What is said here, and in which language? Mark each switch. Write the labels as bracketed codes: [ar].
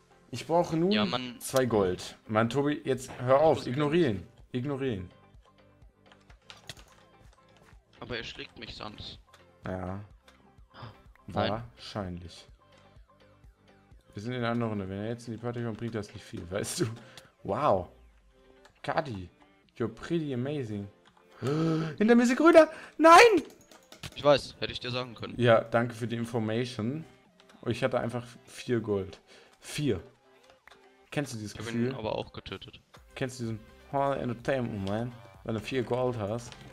[de] Ich brauche nun 2 Gold. Mann, Tobi, jetzt hör auf. Ignorieren. Ignorieren. Aber er schlägt mich sonst. Ja. Wahrscheinlich. Nein. Wir sind in einer Runde. Wenn er jetzt in die Party kommt, bringt das nicht viel, weißt du? Wow. [en] Kadi, you're pretty amazing. [de] Hinter mir ist Grüner. Nein! Ich weiß, hätte ich dir sagen können. Ja, danke für die Information. Ich hatte einfach 4 Gold. 4. Kennst du dieses Gefühl? Ich bin aber auch getötet. Kennst du diesen Hall Entertainment, man? Wenn du 4 Gold hast.